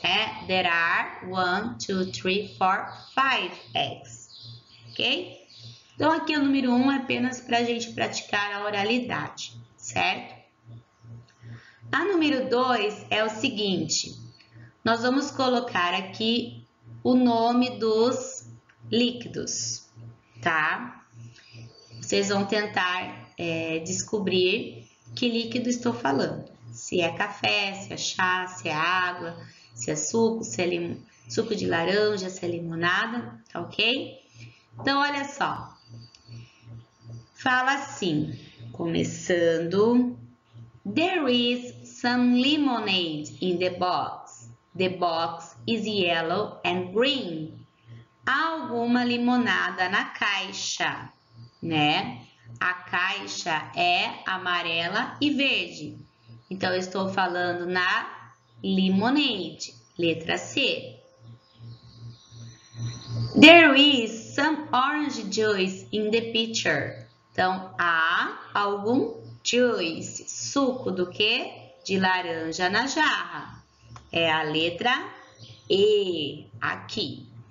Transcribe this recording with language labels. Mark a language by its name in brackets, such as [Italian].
[English] É, there are one, two, three, four, five eggs, ok? [Portuguese] Então, aqui o número um é apenas para a gente praticar a oralidade, certo? A número 2 é o seguinte, nós vamos colocar aqui o nome dos líquidos, tá? Vocês vão tentar descobrir que líquido estou falando, se é café, se é chá, se é água, se é suco, se é suco de laranja, se é limonada, tá ok? Então, olha só, fala assim, começando, [English] there is some lemonade in the box. The box is yellow and green. [Portuguese] Há alguma limonada na caixa, né? A caixa é amarela e verde. Então, eu estou falando na lemonade, letra C. [English] There is some orange juice in the pitcher. [Portuguese] Então, há algum juice, suco do quê? De laranja na jarra. É a letra E aqui.